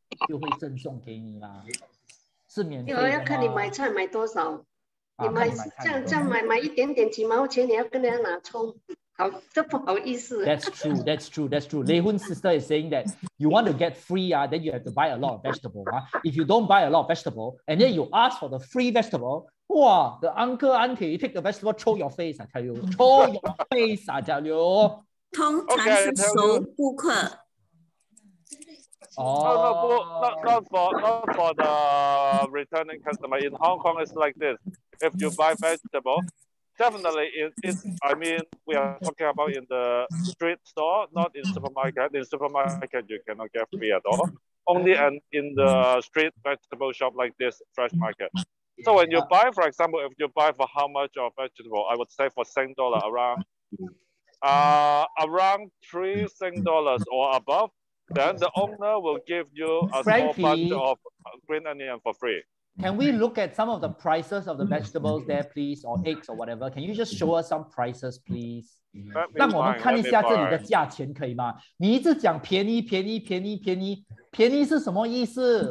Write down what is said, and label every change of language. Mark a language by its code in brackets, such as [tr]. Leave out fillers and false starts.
[zh] 就会赠送给你啦，是免费的吗？要看你买菜买多少，你买这样买一点点几毛钱，你要跟人家拿葱，好，这不好意思。 [en] That's true. Lei Hun's sister is saying that you want to get free then you have to buy a lot of vegetable If you don't buy a lot of vegetable, and then you ask for the free vegetable. 哇 ，the uncle auntie you take the vegetable, throw your face, I tell you, throw your face, I tell you. [zh] 通常是熟顾客。哦。 [en] Not for the returning customer. In Hong Kong, it's like this. If you buy vegetable, definitely we are talking about in the street store, not in supermarket. In supermarket, you cannot get free at all. Only in the street vegetable shop like this, fresh market. So when you buy, for example, if you buy for how much of vegetable, I would say for $10 around $3 or above, then the owner will give you a small bunch of green onion for free. Can we look at some of the prices of the vegetables there, please, or eggs or whatever? Can you just show us some prices, please? [zh] 让我们看一下这里的价钱可以吗？你一直讲便宜，便宜是什么意思？